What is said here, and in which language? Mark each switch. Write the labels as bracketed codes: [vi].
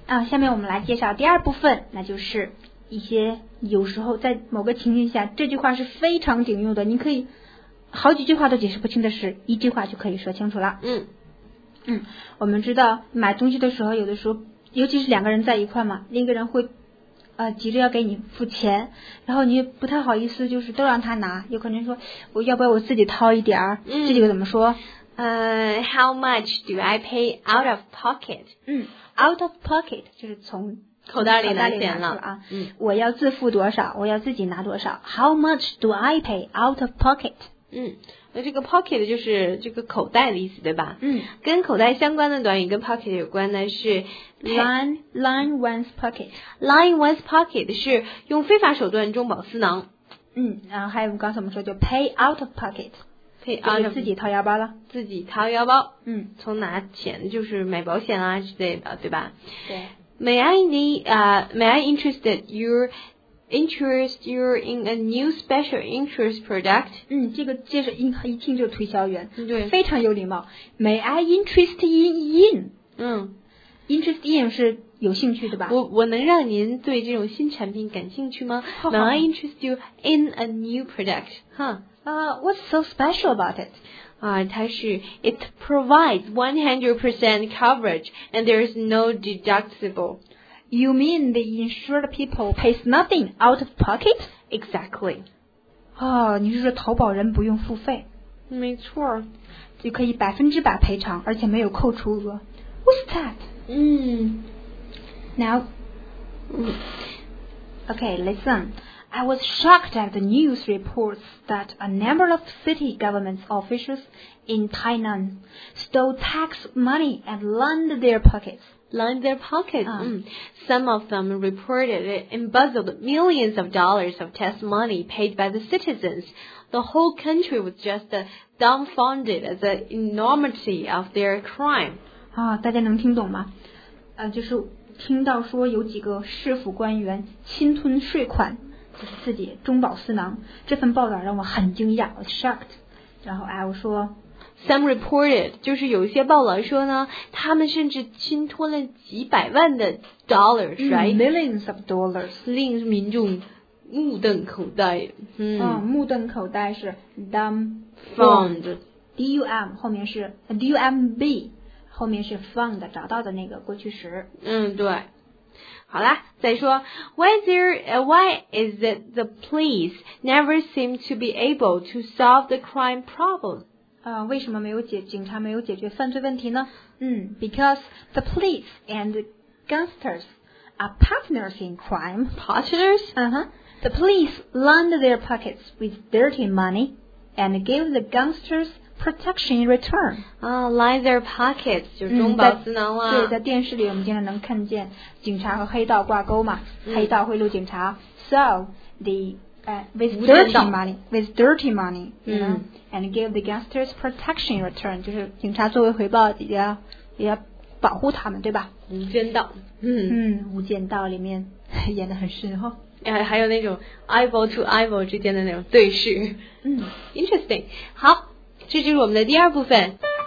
[zh] 下面我们来介绍第二部分，那就是一些有时候在某个情境下，这句话是非常顶用的，你可以好几句话都解释不清的事，一句话就可以说清楚了。我们知道买东西的时候，有的时候，尤其是两个人在一块嘛，另一个人会急着要给你付钱，然后你不太好意思，就是都让他拿，有可能说我要不要我自己掏一点儿，这几个怎么说？ [en] How much do I pay out of pocket? [zh] Out of pocket 就是从口袋里拿钱了啊。我要自付多少？我要自己拿多少 ？ [en] How much do I pay out of pocket? [zh] 那这个 pocket 就是这个口袋的意思，对吧？跟口袋相关的短语跟 pocket 有关的是 [en] line one's pocket. [zh] Line one's pocket 是用非法手段中饱私囊。然后还有刚才我们说就 pay out of pocket。自己掏腰包了，自己掏腰包。从拿钱就是买保险啊之类的，对吧？对。 [en] May I interest you in a new special interest product? [zh] 这个介绍一听就推销员，对，非常有礼貌。 [en] May I interest you in? [zh] Interest in 是有兴趣，对吧？我能让您对这种新产品感兴趣吗？好好 [en] May I interest you in a new product? What's so special about it? It provides 100% coverage and there is no deductible. You mean the insured people pays nothing out of pocket? Exactly. [zh] 你是说投保人不用付费？没错。就可以100%赔偿，而且没有扣除额。 [en] What's that? Listen. I was shocked at the news reports that a number of city government officials in Tainan stole tax money and lined their pockets. Lined their pockets. Some of them reported it embezzled millions of dollars of tax money paid by the citizens. The whole country was just dumbfounded at the enormity of their crime. [zh] 大家能听懂吗？就是听到说有几个市府官员侵吞税款，这是四节中饱私囊。这份报道让我很惊讶 ， [en] was shocked。 [zh] 然后哎，我说， [en] some reported [zh] 就是有一些报道说呢，他们甚至侵吞了几百万的 [en] dollars， right？ Millions of dollars， [zh] 令民众目瞪口呆。嗯，目瞪口呆是 [en] dumbfounded。 [zh] D-U-M 后面是 D-U-M-B 后面是 found 找到的那个过去时。嗯，对。好啦，再说 [en] why is it the police never seem to be able to solve the crime problem？ [zh] 为什么没有警察没有解决犯罪问题呢？ [en] Because the police and gangsters are partners in crime. Partners？ The police lined their pockets with dirty money and gave the gangsters protection in return. [zh] Line their pockets 就是中饱私囊了。对，在电视里我们经常能看见警察和黑道挂钩嘛，黑道贿赂警察。 [en] So the with dirty money, you know, and gave the gangsters protection in return. [zh] 就是警察作为回报也要保护他们，对吧？无间道。无间道里面演得很深厚。还有那种 eyeball to eyeball 之间的那种对视。 [en] Interesting. [zh] 好。这就是我们的第二部分。